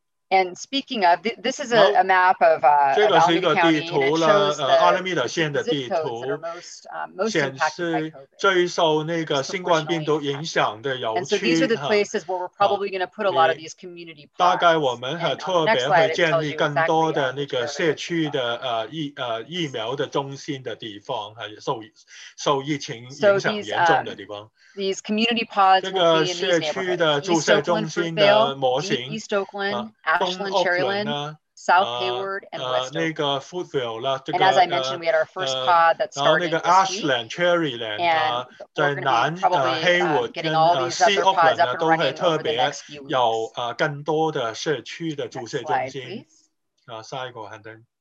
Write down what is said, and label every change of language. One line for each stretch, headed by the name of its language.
English: And speaking of, this is a map of Alameda County, and it shows the zip codes that are most impacted by COVID. And so these are the places where we're probably going to put a lot of these community parks.
Chinese: 大概我们特别会建立更多的那个社区的疫苗的中心的地方，受疫情影响严重的地方。
English: These community pods will be in these neighborhoods. East Oakland, Fruitvale, East Oakland, Ashland, Cherryland, South Hayward, and West Oakland. And as I mentioned, we had our first pod that started this week. And we're going to be probably getting all these other pods up and running over the next few weeks. Next slide, please.